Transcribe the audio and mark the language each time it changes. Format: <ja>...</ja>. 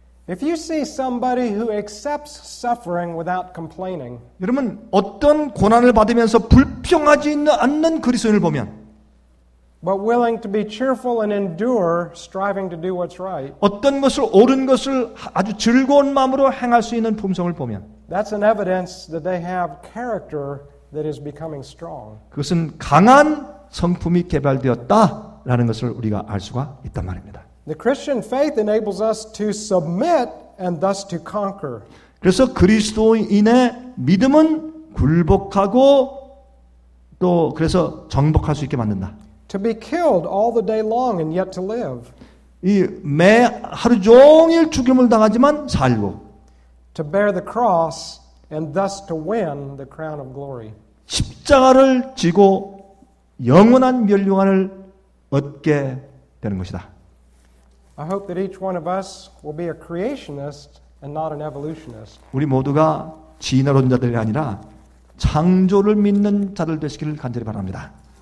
<en>If you see somebody who accepts suffering without complaining,</en> <ko>여러분 어떤 고난을 받으면서 불평하지 않는 그리스도인을 보면,</ko> <en>but willing to be cheerful and endure, striving to do what's right,</en> <ko>어떤 것을 옳은 것을 아주 즐거운 마음으로 행할 수 있는 품성을 보면,</ko> <en>that's an evidence that they have character that is becoming strong.</en> <ko>그것은 강한 성품이 개발되었다. 라는 것을 우리가 알 수가 있단 말입니다.</ko> <en>The Christian faith enables us to submit and thus to conquer.</en> <ko>그래서 그리스도인의 믿음은 굴복하고 또 그래서 정복할 수 있게 만든다.</ko> <en>To be killed all the day long and yet to live.</en> <ko>이 매 하루 종일 죽임을 당하지만 살고.</ko> <en>To bear the cross and thus to win the crown of glory.</en> <ko>십자가를 지고 영원한 면류관을 얻게 되는 것이다.</ko> <en>I hope that each one of us will be a creationist and not an evolutionist.</en> <ko>우리 모두가 진화론자들이 아니라 창조를 믿는 자들 되시기를 간절히 바랍니다.</ko>